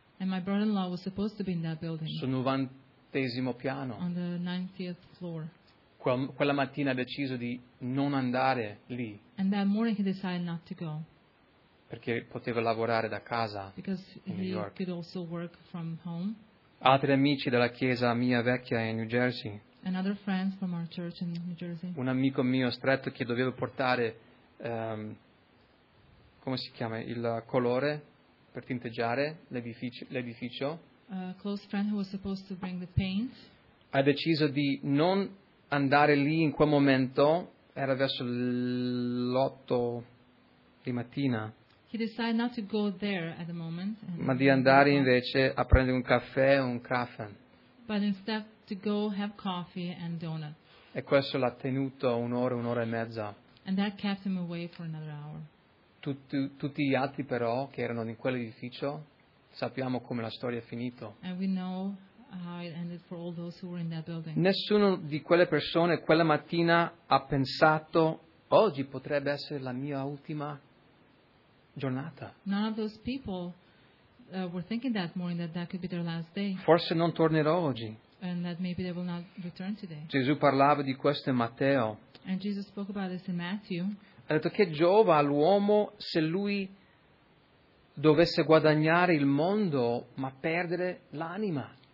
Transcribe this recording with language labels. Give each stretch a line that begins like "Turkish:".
English: And my brother-in-law was supposed to be in that building.
Italian: Sul 90° piano.
English: On the 90th floor.
Italian: Quella mattina ha deciso di non andare lì.
English: And that morning he decided not to go.
Italian: Perché poteva lavorare da casa
English: because
Italian: in New York.
English: Could also work from home.
Italian: Altri amici della chiesa mia vecchia in New Jersey.
English: Another friend from our church in New Jersey.
Italian: Un amico mio stretto che doveva portare come si chiama il colore per tinteggiare l'edificio.
English: A close friend who was supposed to bring the paint.
Italian: Ha deciso di non andare lì in quel momento. Era verso l'8 di mattina.
English: He decided not to go there at the moment.
Italian: Ma di andare invece a prendere un caffè o un crafton.
English: But instead to go have coffee and donut.
Italian: E questo l'ha tenuto un'ora e mezza.
English: And that kept him away for another hour.
Italian: Tutti gli altri però che erano in quell'edificio sappiamo come la storia è finita.
English: And we know how it ended for all those who were in that building.
Italian: Nessuno di quelle persone quella mattina ha pensato oggi potrebbe essere la mia ultima giornata.
English: None of those people were thinking that morning that could be their last day.
Italian: Forse non tornerò oggi.
English: And that maybe they will not return today.
Italian: Gesù parlava di questo in Matteo.
English: And Jesus spoke about this in Matthew.
Italian: Ha detto che giova all'uomo se lui dovesse guadagnare il mondo ma perdere l'anima.